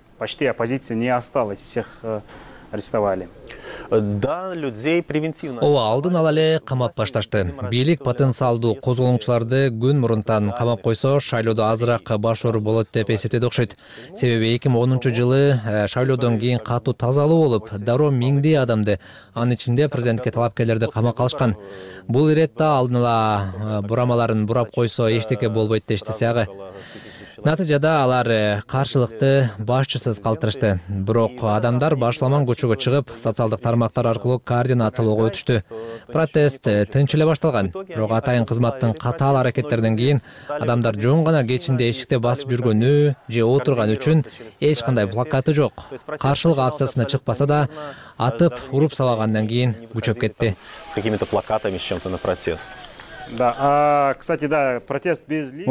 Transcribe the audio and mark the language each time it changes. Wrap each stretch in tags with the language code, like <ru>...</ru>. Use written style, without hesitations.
<ru>Почти оппозиция не осталась, всех арестовали. Да, людей превентивно.</ru> <ky>Оо, алдын ала эле камап башташты. Бийлик потенциалдуу козголоңчуларды күн мурунтан камап койсо, шайлоодо азыраак баш оору болот деп эсептеди окшойт. Себеби 2010-жылы шайлоодон кийин катуу тазалоо болуп, дароо миңдей адамды, анын ичинде президентке талапкерлерди камакка алышкан. Бул иретте алдын ала бурамаларын бурап койсо эчтеке болбойт дештиси ага. Натыйжада алар каршылыкты башчысыз калтырышты. Бирок адамдар башламан көчөгө чыгып, социалдык тармактар аркылуу координациялоого өтүштү. Протест тынч эле башталган. Бирок атайын кызматтын катаал аракеттеринен кийин адамдар жөн гана кечинде эшикте басып жүргөнү же отурган үчүн эч кандай плакаты жок. Каршылык акциясына чыкпаса да, атып уруп салгандан кийин күчөп кетти.</ky> <ru>С какими-то плакатами, с чем-то на протест. Да, кстати, да, протест без лидера.</ru>